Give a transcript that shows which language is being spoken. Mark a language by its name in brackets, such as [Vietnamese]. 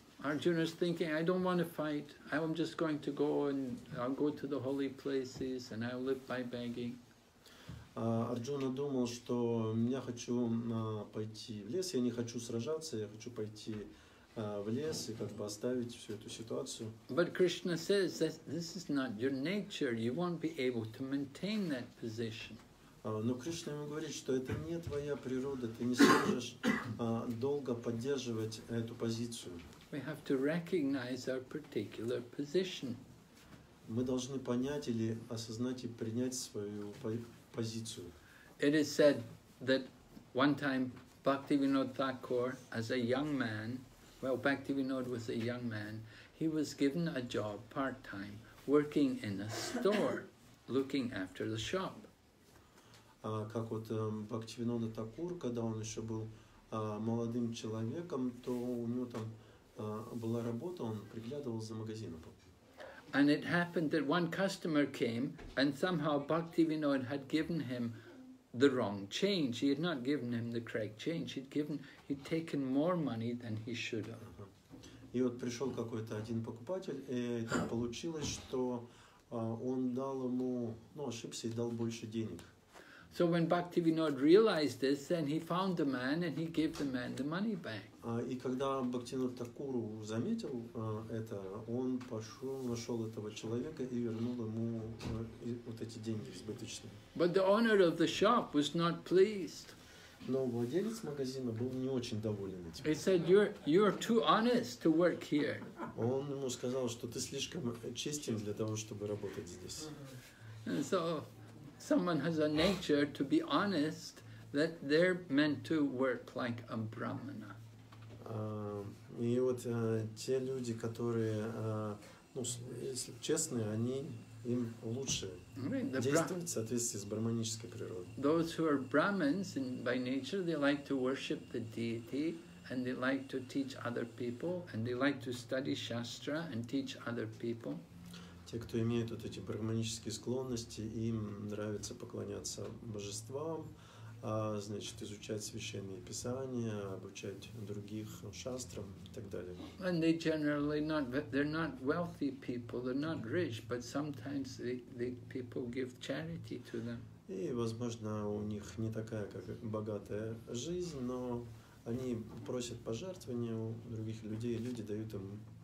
[English] Arjuna is thinking, I don't want to fight. I'm just going to go and I'll go to the holy places and I'll live by begging. [Russian] Арджуна думал, что я хочу пойти в лес, я не хочу сражаться, я хочу пойти в лес и как бы оставить всю эту ситуацию. [English] But Krishna says that this is not your nature. You won't be able to maintain that position. [Russian] Но Кришна ему говорит, что это не твоя природа, ты не сможешь долго поддерживать эту позицию. [English] We have to recognize our particular position. [Russian] Мы должны понять или осознать и принять свою позицию. [English] It is said that one time Bhaktivinoda Thakur, as a young man, Bhaktivinoda was a young man, he was given a job part-time working in a store, looking after the shop. [Russian] Как вот Бхактивинода Такур, когда он еще был молодым человеком, то у него там была работа, он приглядывал за магазином. [English] And it happened that one customer came, and somehow Bhaktivinoda had given him the wrong change. He had not given him the correct change. He'd taken more money than he should have. [Russian] И вот пришел какой-то один покупатель, и так получилось, что он дал ему, ошибся и дал больше денег. [English] So when Bhaktivinoda realized this, then he found the man and he gave the man the money back. [Russian] И когда Бхактивинода Такур заметил это, он нашел этого человека и вернул ему вот эти деньги избыточные. [English] But the owner of the shop was not pleased. [Russian] Но владелец магазина был не очень доволен этим. [English] He said, "You're too honest to work here." [Russian] Он ему сказал, что ты слишком честен для того, чтобы работать здесь. [English] And so, someone has a nature to be honest that they're meant to work like a brahmana. [Russian] Те люди, которые если честные, они им лучше действуют в соответствии с брахманической природой. [English] Those who are brahmins and by nature they like to worship the deity and they like to teach other people and they like to study shastra and teach other people. [Russian] Те, кто имеют вот эти брахманические склонности, им нравится поклоняться божествам, изучать священные писания, обучать других шастрам и так далее. [English] And they generally not, they're not wealthy people, they're not rich, but sometimes the people give charity to them. [Russian] И, возможно, у них не такая как богатая жизнь, но они просят пожертвования у других людей, люди дают им